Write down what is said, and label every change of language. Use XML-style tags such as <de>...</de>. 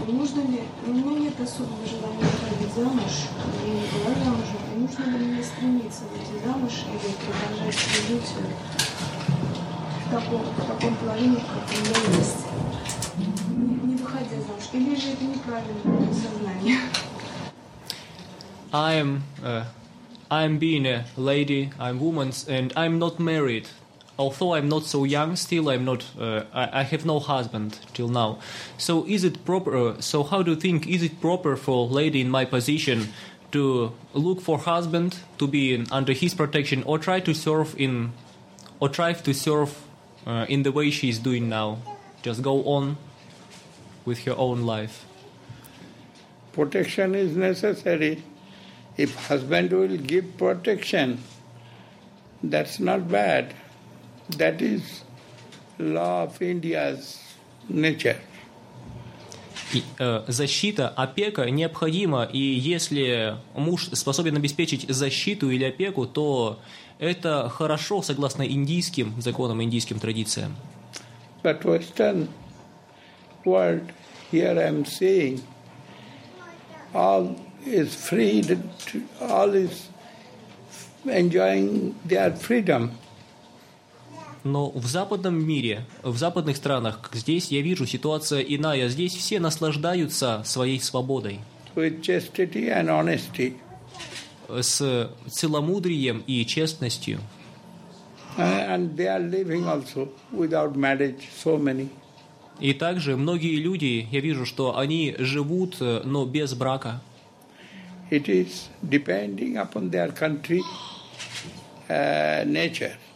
<ru>Нужно ли, у меня нет особого желания выходить замуж, я не была замужем, и нужно ли мне стремиться выйти замуж или продолжать свою жизнь в таком положении, как у меня есть, не выходя замуж, или же это неправильное сознание?</ru> <en>I'm being a lady, I'm woman, and I'm not married. Although I'm not so young, still I'm not. I have no husband till now. So is it proper? So how do you think? Is it proper for a lady in my position to look for husband to be in, under his protection, or try to serve in, or try to serve in the way she is doing now? Just go on with her own life. Protection is necessary. If husband will give protection, that's not bad. That is law of India's nature.</en> <ru>Защита, опека необходима, и если муж способен обеспечить защиту или опеку, то это хорошо, согласно индийским законам, индийским традициям.</ru> <en>But Western world, here I'm saying, all is free, all is enjoying their freedom.</en> <ru>Но в западном мире, в западных странах, здесь я вижу ситуация иная. Здесь все наслаждаются своей свободой.</ru> <en>With chastity and honesty.</en> <ru>С целомудрием и честностью.</ru> <en>And they are living also without marriage, so many.</en> <ru>И также многие люди, я вижу, что они живут, но без брака.</ru> <en>It is depending upon their country, nature.</en>